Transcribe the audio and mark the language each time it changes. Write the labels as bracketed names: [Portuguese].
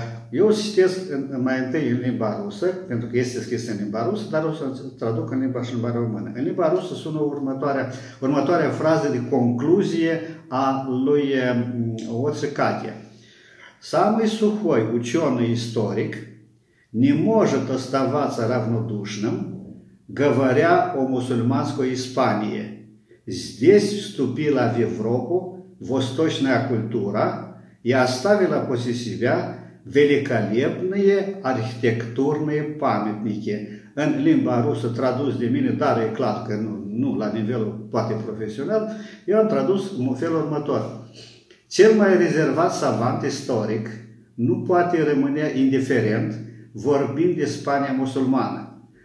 [Romanian] Eu citesc mai întâi în limba rusă, pentru că este scris în limba rusă, dar o să traduc în limba și în limba română. În limba rusă sună următoarea frază de concluzie a lui Оце Катя. [Russian] Самый сухой ученый историк не может оставаться равнодушным, говоря о мусульманской Испании. Здесь вступила в Европу восточная культура и оставила после себя великолепные архитектурные памятники. [Romanian] În limba rusă, tradus de mine, dar e clar că nu la nivelul poate profesional, eu am tradus în felul următor. Cel mai rezervat savant istoric nu poate rămâne indiferent vorbind de Spania musulmană.